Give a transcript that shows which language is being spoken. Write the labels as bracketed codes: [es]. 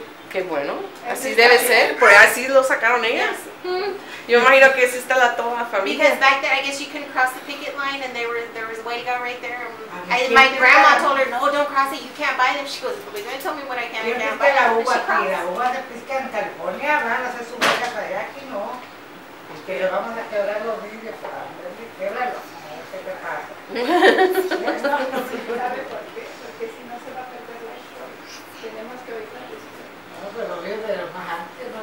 [es] Qué bueno, así debe ser, porque así lo sacaron ellas. Yo imagino que así está la toda familia. [en] Because back then, I guess you couldn't cross the picket line, and there was huelga right there. And my grandma told her, no, don't cross it, you can't buy them. She goes, but you're going to tell me what I can and can't buy them. But she crossed. [es] La uva de pisca en California, van a hacer su huelga para aquí, no. Que le vamos a quebrar los vidrios para quebrarlos. No, no, no, no, no, no.